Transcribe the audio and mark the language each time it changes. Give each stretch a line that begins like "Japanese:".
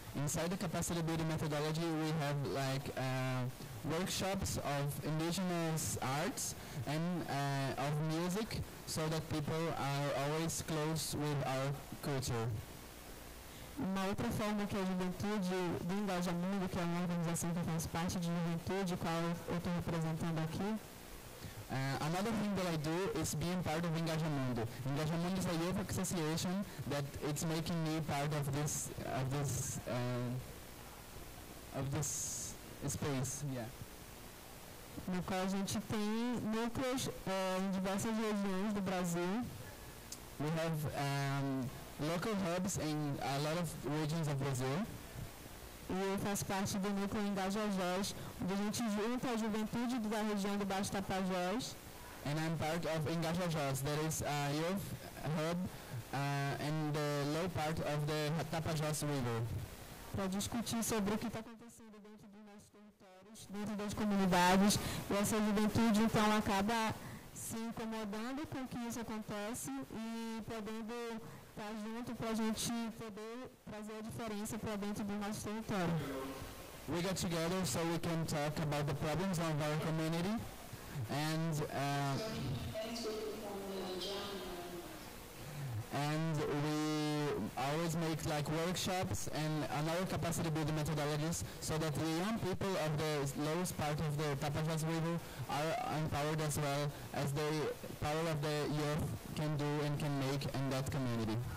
English: Inside the capacity building methodology, we have like workshops of indigenous arts and of music, so that people are always close with our culture.
Portuguese: Uma outra forma que a juventude do Engaja Mundo, que é uma organização que faz parte de juventude, qual eu estou representando aqui.
English: Another thing that I do is being part of Engajamundo. Engajamundo is a youth association that it's making me part of this space. Yeah.
Portuguese: No qual a gente tem núcleos em diversas regiões do Brasil.
English: We have local hubs in a lot of regions of Brazil.
Portuguese: E eu faço parte do núcleo Engajajós, onde a gente junta a juventude da região do Baixo Tapajós.
English: And I'm part of Engajajós, that is a youth hub in the low part of the Tapajós River.
Portuguese: Para discutir sobre o que está acontecendo dentro dos nossos territórios, dentro das comunidades. E essa juventude, então, acaba se incomodando com o que isso acontece e podendo estar junto para a gente poder trazer a diferença para dentro do nosso território.
English: We got together so we can talk about the problems of our community and we always make like workshops and another capacity building methodologies so that the young people of the lowest part of the Tapajós River are empowered as well as the power of the youth can do and can make in that community.